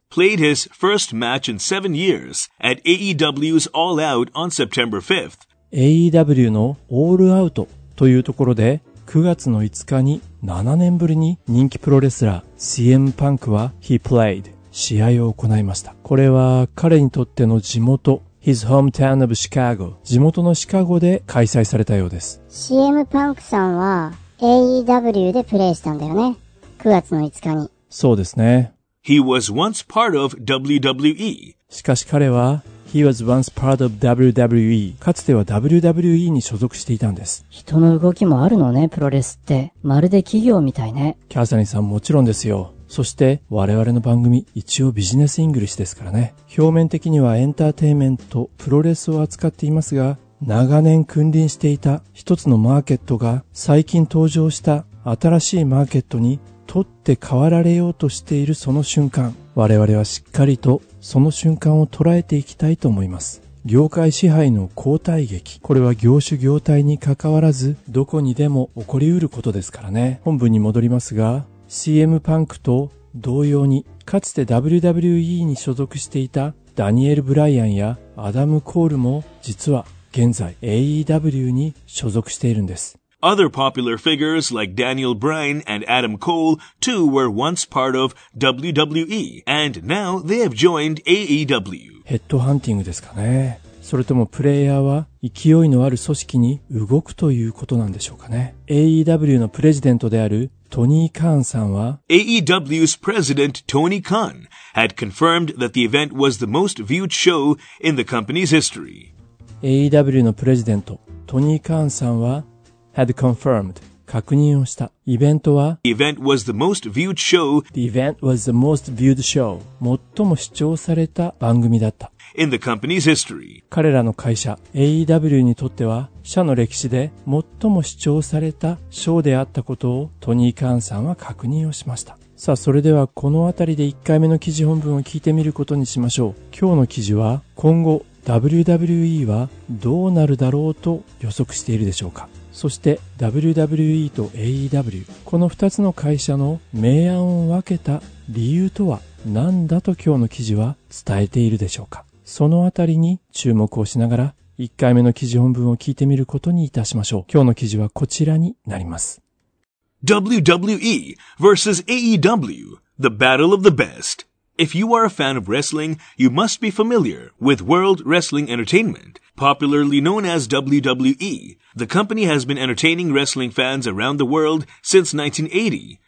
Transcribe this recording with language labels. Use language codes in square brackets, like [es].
[en] played his first match in 7 years at AEW's All Out on September 5th. [ja] AEW の All Out というところで9月の5日に7年ぶりに人気プロレスラー CM パンクは [en] He played [ja] 試合を行いました。これは彼にとっての地元 [en] His hometown of Chicago [ja] 地元のシカゴで開催されたようです。 CM パンクさんは AEW でプレイしたんだよね、9月の5日に。そうですね。 [en] He was once part of WWE. [ja] しかし彼は [en] He was once part of WWE. [ja] かつては WWE に所属していたんです。人の動きもあるのね、プロレスって。まるで企業みたいね。キャサリンさんもちろんですよ。そして我々の番組、一応ビジネスイングリッシュですからね。表面的にはエンターテインメント、プロレスを扱っていますが、長年君臨していた一つのマーケットが最近登場した新しいマーケットに取って代わられようとしているその瞬間、我々はしっかりとその瞬間を捉えていきたいと思います。業界支配の交代劇、これは業種業態に関わらずどこにでも起こりうることですからね。本文に戻りますが、 CM パンクと同様にかつて WWE に所属していたダニエル・ブライアンやアダム・コールも実は現在 AEW に所属しているんです。 [en] Other popular figures like Daniel Bryan and Adam Cole too were once part of WWE and now they have joined AEW. [ja] ヘッドハンティングですかね。それともプレイヤーは勢いのある組織に動くということなんでしょうかね。 AEW のプレジデントであるトニー・カーンさんは [en] AEW's president Tony Khan had confirmed that the event was the most viewed show in the company's history. [ja] AEW のプレジデントトニー・カーンさんは [en] had confirmed [ja] 確認をした。イベントは [en] The event was the most viewed show. The event was the most viewed show. [ja] 最も視聴された番組だった。 [en] In the company's history. [ja] 彼らの会社 AEW にとっては社の歴史で最も視聴されたショーであったことをトニー・カーンさんは確認をしました。さあ、それではこのあたりで1回目の記事本文を聞いてみることにしましょう。今日の記事は今後 WWE はどうなるだろうと予測しているでしょうか。そして WWE と AEW、 この2つの会社の明暗を分けた理由とは何だと今日の記事は伝えているでしょうか。そのあたりに注目をしながら1回目の記事本文を聞いてみることにいたしましょう。今日の記事はこちらになります。 [en] WWE vs. AEW The Battle of the Best. If you are a fan of wrestling, you must be familiar with World Wrestling Entertainment. Popularly known as WWE, the company has been entertaining wrestling fans around the world since 1980.